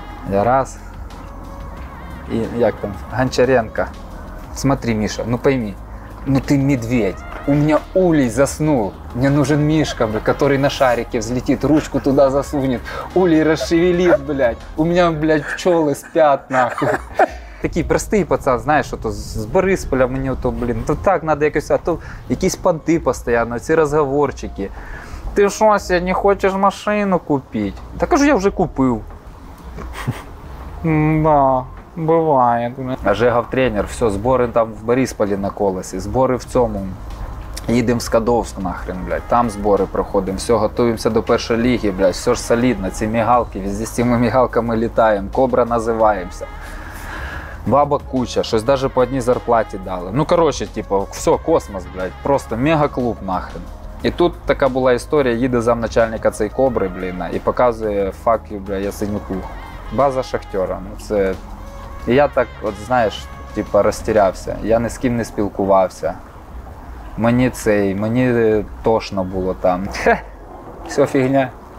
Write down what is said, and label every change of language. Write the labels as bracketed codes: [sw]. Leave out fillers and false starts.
[ru] Я раз. И как там? Гончаренко. Смотри, Миша, ну пойми, ну ты медведь. У меня улей заснул. Мне нужен Мишка, который на шарике взлетит, ручку туда засунет. Улей расшевелит, блядь. У меня, блядь, пчелы спят, нахуй. [uk] Такий простий пацан, знаєш, що то з Борисполя мені то, блін, то так надо якось, а то якісь понти постійно, ці розговорчики. Ти що, Ася, не хочеш машину купити? Так кажу, я вже купив. Да, буває. А Жегав тренер, все, збори там в Борисполі на колесі, збори в цьому. Їдемо в Скадовськ нахрен, блядь. Там збори проходимо, все, готуємося до першої ліги, блядь. Все ж солідно, ці мігалки, везде з цими мігалками літаємо, Кобра називаємося. Баба куча, щось даже по одній зарплаті дали. Ну, короче, типу, все, космос, блядь, просто мега-клуб нахрен. І тут така була історія, їде замначальника цей Кобри, блін, і показує факю, блядь, Ясенюку. База Шахтера, ну це... І я так, от знаєш, типу, розтірявся, я ні з ким не спілкувався. Мені цей, мені тошно було там. Хе, все фігня.